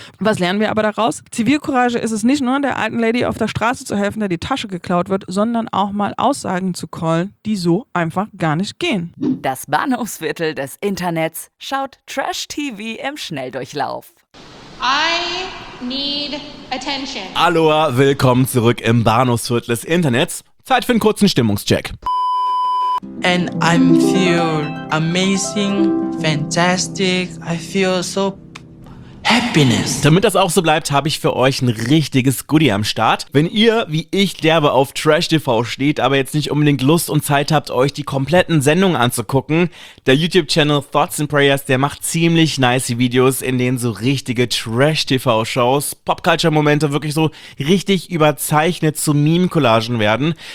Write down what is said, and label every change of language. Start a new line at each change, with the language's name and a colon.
German: Was lernen wir aber daraus? Zivilcourage ist es nicht nur, der alten Lady auf der Straße zu helfen, der die Tasche geklaut wird, sondern auch mal Aussagen zu callen, die so einfach gar nicht gehen. Das Bahnhofsviertel des Internets schaut Trash-TV im Schnelldurchlauf.
English: I need attention.
German: Aloha, willkommen zurück im Bahnhofsviertel des Internets. Zeit für einen kurzen Stimmungscheck.
English: And I feel amazing, fantastic, I feel so happiness.
German: Damit das auch so bleibt, habe ich für euch ein richtiges Goodie am Start. Wenn ihr, wie ich, derbe auf Trash-TV steht, aber jetzt nicht unbedingt Lust und Zeit habt, euch die kompletten Sendungen anzugucken, der YouTube-Channel Thoughts and Prayers, der macht ziemlich nice Videos, in denen so richtige Trash-TV-Shows, Pop-Culture-Momente wirklich so richtig überzeichnet zu Meme-Collagen werden.